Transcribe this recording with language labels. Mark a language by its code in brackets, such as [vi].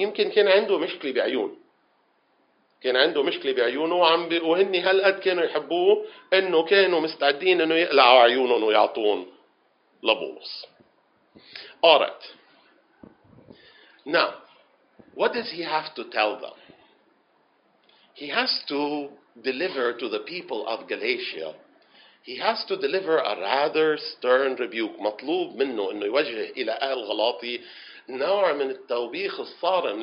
[ar] يمكن كان عنده مشكلة بعيون. كان عنده مشكلة بعيونه وهني هالقد كانوا يحبوه أنه كانوا مستعدين أنه يقلعوا عيونهم ويعطون لبولس. [en] Alright. Now, what does he have to tell them? He has to deliver to the people of Galatia, he has to deliver a rather stern rebuke. [ar] مطلوب منه انه يوجه الى اهل غلاطي نوع من التوبيخ الصارم.